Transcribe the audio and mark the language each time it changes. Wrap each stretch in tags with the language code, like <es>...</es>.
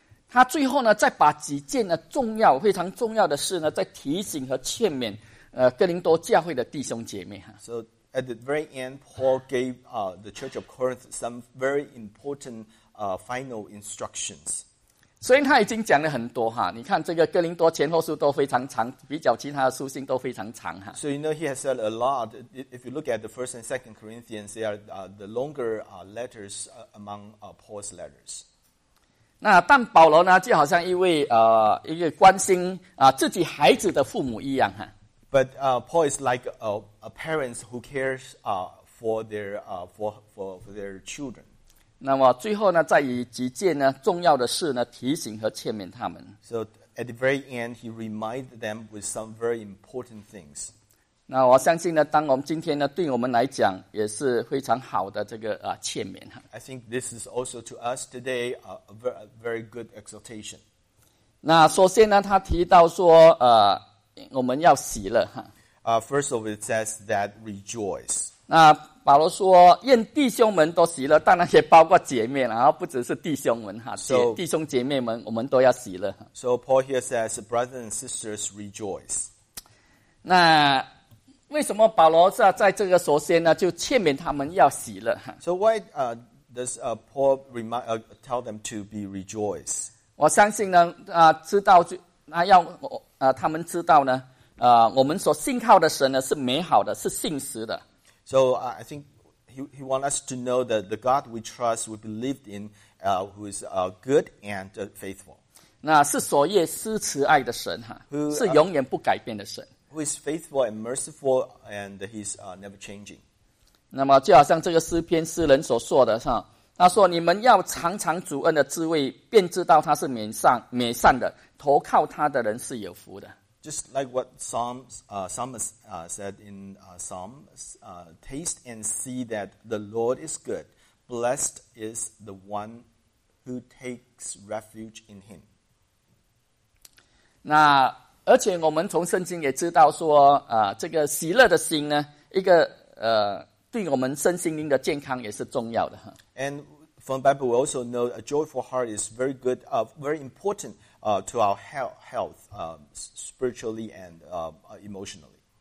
<zh>他最后呢，再把几件呢重要、非常重要的事呢，再提醒和劝勉，哥林多教会的弟兄姐妹哈。</zh> <en>So at the very end, Paul gave the Church of Corinth some very important final instructions.</en> <zh>虽然他已经讲了很多哈，你看这个哥林多前后书都非常长，比较其他的书信都非常长哈。</zh> <en>So you know he has said a lot. If you look at the first and second Corinthians, they are the longer letters among Paul's letters.</en> <zh>那但保罗呢，就好像一个关心自己孩子的父母一样哈。</zh> <en>But Paul is like a parents who cares for their children.</en> <zh>那么最后呢，再以几件呢重要的事呢提醒和劝勉他们。</zh> <en>So at the very end, he reminded them with some very important things.</en> <zh>那我相信呢，当我们今天呢，对我们来讲也是非常好的这个劝勉。</zh> <en>I think this is also to us today a very good exhortation.</en> <zh>那首先呢，他提到说，我们要喜乐哈。</zh> <en>First of all, it says that rejoice.</en> <zh>那保罗说，愿弟兄们都喜乐，当然也包括姐妹了，不只是弟兄们哈，弟兄姐妹们，我们都要喜乐。</zh> <en>So Paul here says, brothers and sisters, rejoice.</en> <zh>那为什么保罗在这个首先呢，就劝勉他们要喜乐</zh> <en>？So why does Paul remind tell them to be rejoice？</en> <zh>我相信呢，知道就那要他们知道呢，我们所信靠的神呢是美好的，是信实的。</zh> <en>So I think he want us to know that the God we trust, we believed in, who is good and faithful.</en> <zh>那是所业施慈爱的神哈，是永远不改变的神。</zh> <en>Who is faithful and merciful, and he's never changing.</en> <zh>那么就好像这个诗篇诗人所说的哈，他说：“你们要尝尝主恩的滋味，便知道他是美善的，投靠他的人是有福的。”</zh> <en>Just like what Psalms said in Psalms, taste and see that the Lord is good. Blessed is the one who takes refuge in Him.</en> <zh>那而且我们从圣经也知道说，这个喜乐的心呢，一个对我们身心灵的健康也是重要的。</zh> <en>And from the Bible, we also know a joyful heart is very good, very important to our health, spiritually and emotionally.</en>